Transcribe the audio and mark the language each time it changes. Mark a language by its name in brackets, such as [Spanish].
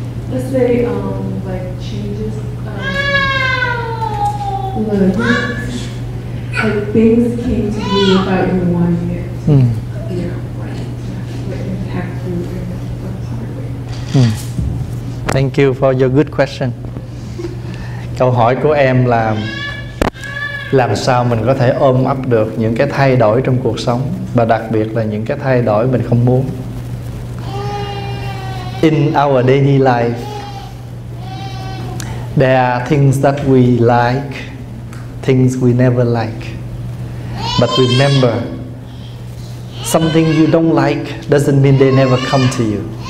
[English] Let's say, like changes, like things came to you without you wanting it. Thank you for your good question. [Vietnamese] Câu hỏi của em là làm sao mình có thể ôm ấp được những cái thay đổi trong cuộc sống, và đặc biệt là những cái thay đổi mình không muốn. [English] In our daily life, there are things that we like, things we never like. But remember, something you don't like doesn't mean they never come to you.